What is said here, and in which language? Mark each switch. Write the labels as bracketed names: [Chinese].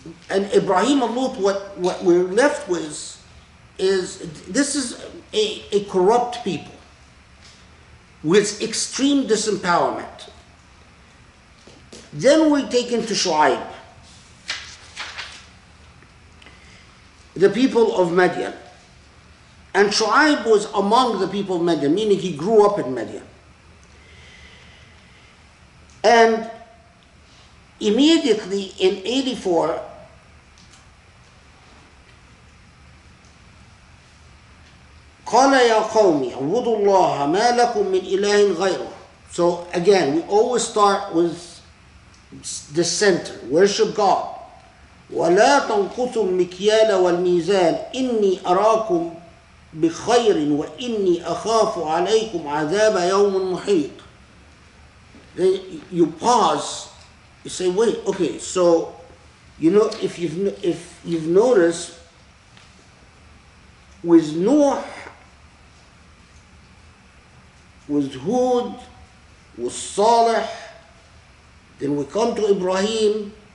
[English] And Ibrahim and Lut, what we're left with is, this is a corrupt people with extreme disempowerment. Then we're taken to Shu'aib, the people of Madian. And Shu'aib was among the people of Madian, meaning he grew up in Madian. And immediately in 84, [Arabic] قال يا قومي اعبدوا الله ما لكم من إله غيره. [English] So again, we always start with the center. Worship God. [Arabic] ولا تنقصوا المكيال والميزان إني أراكم بخير وإني أخاف عليكم عذاب يوم محيط. [English] Then you pause. You say, wait, okay. So, you know, if you've noticed, with Nuh, with Hud, with Saleh, then we come to Ibrahim.